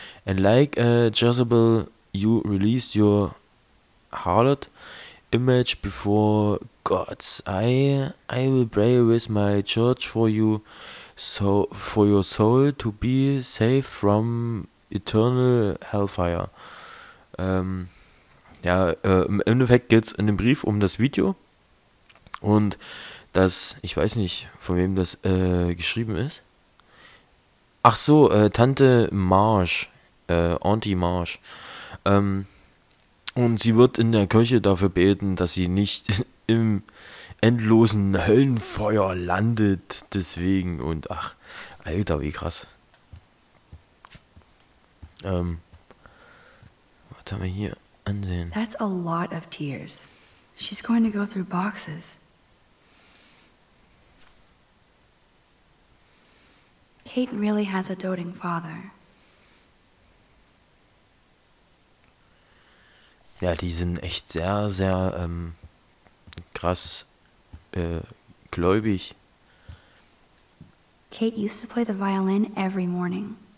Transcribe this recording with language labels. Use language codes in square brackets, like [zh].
[en] And like Jezebel, you released your harlot image before God's eye. I will pray with my church for you. So, for your soul to be safe from eternal hellfire. [de] Im Endeffekt geht's in dem Brief um das Video. Und das, ich weiß nicht, von wem das geschrieben ist. Ach so, Tante Marsh, Auntie Marsh. Und sie wird in der Kirche dafür beten, dass sie nicht im... endlosen Höllenfeuer landet deswegen und ach, Alter, wie krass. Was haben wir hier ansehen? [en] That's a lot of tears. She's going to go through boxes. Kate really has a doting father. [de] Ja, die sind echt sehr, sehr krass gläubig. [en] Kate used to play the violin every morning.